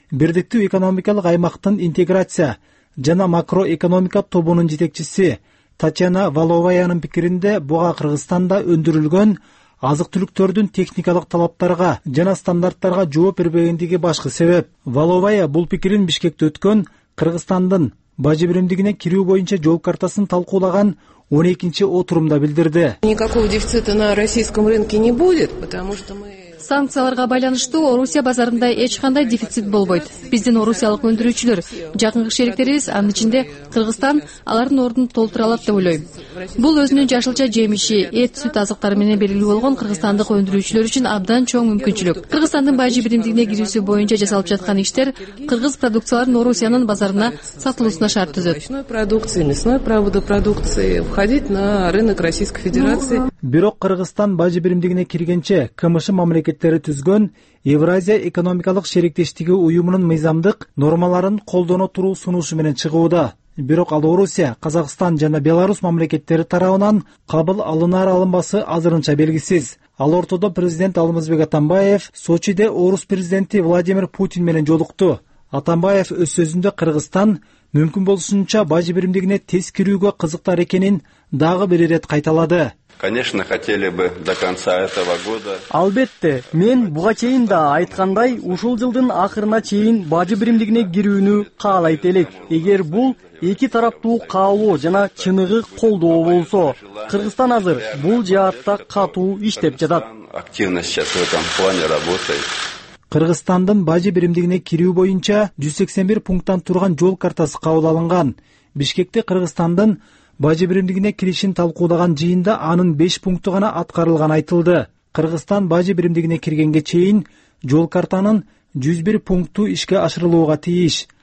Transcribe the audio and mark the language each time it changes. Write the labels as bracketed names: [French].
[Kyrgyz] Бирдиктүү экономикалык аймактын интеграция жана макроэкономика тобунун жетекчиси Татьяна Воловаянын пикиринде буга Кыргызстанда өндүрүлгөн азык-түлүктөрдүн техникалык талаптарга жана стандарттарга жооп бербегендиги башкы себеп. Валовая бул пикирин Бишкекте өткөн Кыргызстандын бажы биримдигине кирүү боюнча жол картасын талкуулаган 12-чи отурумда билдирди. [Russian] Никакого дефицита на российском рынке не будет, потому что мы [Kyrgyz] санкцияларга байланыштуу Орусия базарында эч кандай дефицит болбойт. Биздин орусиялык өндүрүүчүлөр, жакынкы шерикторибиз, анын ичинде Кыргызстан алардын ордун толтура алат деп ойлойм. Бул өзүнүн жашылча жемиши, эт, сүт азыктары менен белгилүү болгон кыргызстандык өндүрүүчүлөр үчүн абдан чоң мүмкүнчүлүк. Кыргызстандын бажы биримдигине кирүүсү боюнча жасалып жаткан иштер кыргыз продукцияларын Орусиянын базарына сатылуусуна шарт түзөт. [Russian] Мясной продукции входить на рынок Российской Федерации. [Kyrgyz] Бирок Кыргызстан бажы биримдигине киргенче КМШ мамлекеттери түзгөн Евразия экономикалык шериктештиги уюмунун мыйзамдык нормаларын колдоно туруу сунушу менен чыгууда. Бирок ал Орусия, Казакстан жана Беларусь мамлекеттери тарабынан кабыл алынар алынбасы азырынча белгисиз. Ал ортодо президент Алмазбек Атамбаев Сочиде Орус президенти Владимир Путин менен жолукту. Атамбаев өз сөзүндө Кыргызстан мүмкүн болушунча бажы биримдигине тез кирүүгө кызыктар экенин дагы бир ирет кайталады. [Russian] Конечно, хотели бы до конца этого года. [Kyrgyz] Албетте, мен буга чейин да айткандай, ушул жылдын акырына чейин бажы биримдигине кирүүнү каалайт элек. Эгер бул эки тараптуу каалоо жана чыныгы колдоо болсо, Кыргызстан азыр бул жаатта катуу иштеп жатат. [Russian] Активно сейчас в этом плане работает. [Kyrgyz] Кыргызстандын бажы биримдигине кирүү боюнча 181 пункттан турган жол картасы кабыл алынган. Бишкекте Кыргызстандын бажы биримдигине киришин талкуулаган жыйында анын 5 пункту гана аткарылган айтылды. Кыргызстан бажы биримдигине киргенге чейин жол картанын 101 пункту ишке ашырылууга тийиш.